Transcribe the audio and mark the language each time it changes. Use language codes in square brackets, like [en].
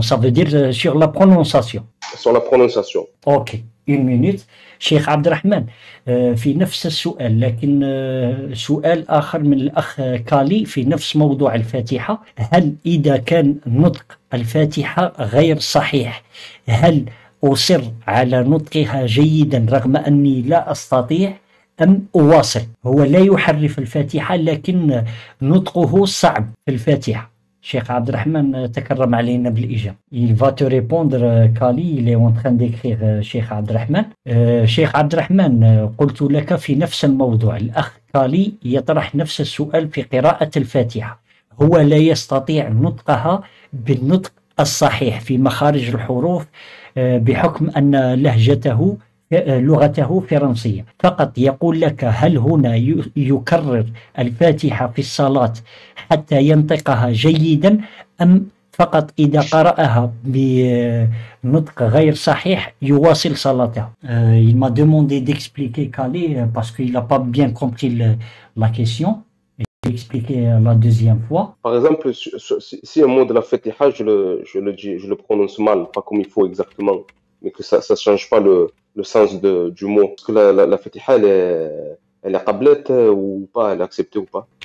[fr] Ça veut dire sur la prononciation. Sur la prononciation. Ok, une minute. [ar] Cheikh Abdelrahman, في نفس السؤال لكن سؤال آخر من الأخ كالي في نفس موضوع الفاتحة، هل إذا كان نطق الفاتحة غير صحيح هل أصر على نطقها جيدا رغم أني لا أستطيع أم أواصل؟ هو لا يحرف الفاتحة لكن نطقه صعب في الفاتحة. Cheikh Abdelrahman takarram alayna bil ijab. [fr] Il va te répondre, Kali, il est en train d'écrire Cheikh Abdelrahman. [ar] Cheikh Abdelrahman, قلت لك في نفس الموضوع. الأخ كالي يطرح نفس السؤال في قراءة الفاتحة. هو لا يستطيع نطقها بالنطق الصحيح في مخارج الحروف بحكم أن لغته فرنسية. فقط يقول لك هل هنا يكرر الفاتحة في الصلاة حتى ينطقها جيدا أم فقط إذا قرأها بنطق غير صحيح يواصل صلاته؟ [fr] Il m'a demandé d'expliquer Calais parce qu'il n'a pas bien compris la question. Je vais expliquer la deuxième fois. Par exemple, si un mot de la Fatiha, je le prononce mal, pas comme il faut exactement, mais que ça change pas le sens du mot. Est-ce que la Fatiha, elle est qablette ou pas, elle est acceptée ou pas?